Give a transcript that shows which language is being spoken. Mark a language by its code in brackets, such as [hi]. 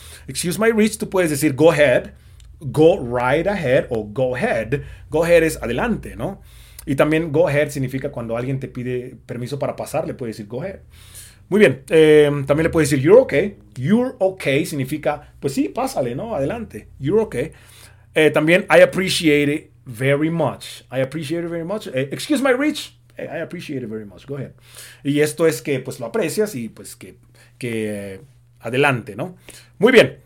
[en] Excuse my reach, [es] tú puedes decir, [en] go ahead, go right ahead o go ahead. Go ahead [es] es adelante, ¿no? Y también [en] go ahead [es] significa cuando alguien te pide permiso para pasar, le puedes decir go ahead. Muy bien, también le puedes decir, [en] you're okay. You're okay [es] significa, pues sí, pásale, ¿no? Adelante, [en] you're okay. [es] También, [en] I appreciate it very much. I appreciate it very much. Excuse my reach. I appreciate it very much. Go ahead. [es] Y esto es que pues lo aprecias y pues que adelante, ¿no? Muy bien.